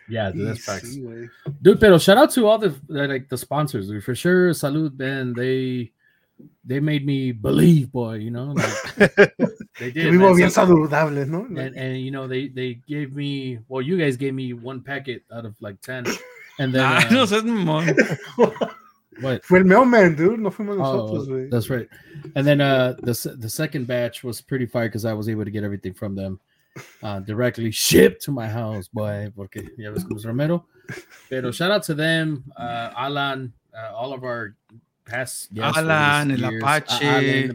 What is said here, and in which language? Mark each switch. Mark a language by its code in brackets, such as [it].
[en] Yeah, dude, that's facts. Sí, dude, pero shout out to all the sponsors, dude. For sure, salud, man. They made me believe, boy, you know. Like, they did. [es] Vivo bien saludable, ¿no? [en] And you know, they gave me, well, you guys gave me one packet out of like 10. And then, [es] no, es mi mom. [en] What? [es] Fue el mailman, dude. No fuimos nosotros, güey. [en] That's right. And then the second batch was pretty fire because I was able to get everything from them directly shipped to my house, boy. [es] Porque ya ves como es Romero. Pero [en] shout out to them, Alan, all of our past guests. Alan, el Apache.